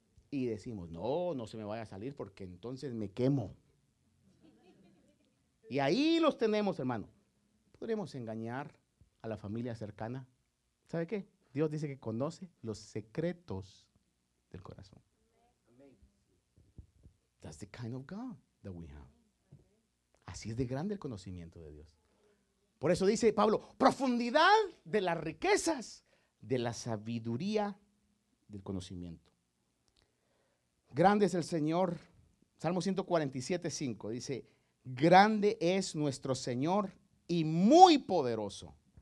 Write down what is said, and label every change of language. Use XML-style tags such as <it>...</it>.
<es>Y decimos, no, no se me vaya a salir porque entonces me quemo. Y ahí los tenemos, hermano. Podremos engañar a la familia cercana. ¿Sabe qué? Dios dice que conoce los secretos del corazón.</es> <en>That's the kind of God that we have.</en> <es>Así es de grande el conocimiento de Dios. Por eso dice Pablo, profundidad de las riquezas de la sabiduría del conocimiento. Grande es el Señor. Salmo 147:5 dice, grande es nuestro Señor y muy poderoso.</es>